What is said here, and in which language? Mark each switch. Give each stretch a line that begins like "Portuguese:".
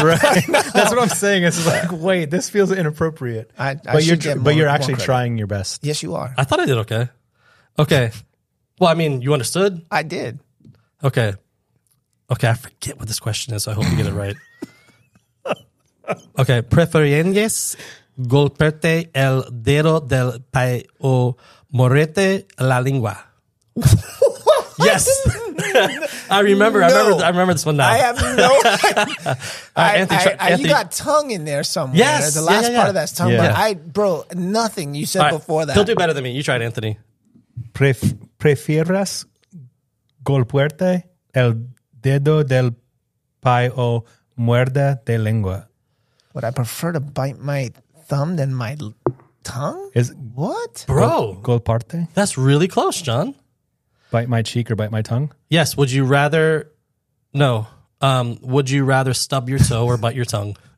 English: Right. That's what I'm saying. It's like, wait, this feels inappropriate. But you're actually trying your best. Yes, you are. I thought I did okay. Okay. Well, I mean, you understood? I did. Okay. Okay, I forget what this question is. So I hope you get it right.
Spanish: Okay, ¿preferirías golpearte el dedo del pie o morderte la lengua?
English: Yes. I remember this one now. I have no idea. Anthony, you got tongue in there somewhere. Yes. The last part of that's tongue. Yeah. But nothing you said before that. He'll do better than me. You try it, Anthony.
Spanish: ¿Prefieres golpearte el dedo del pie o muerde de lengua?
English: Would I prefer to bite my thumb than my tongue? What? Bro.
Spanish: Golparte?
English: That's really close, John. Bite my cheek or bite my tongue? Yes. Would you rather... No. Would you rather stub your toe or bite your tongue?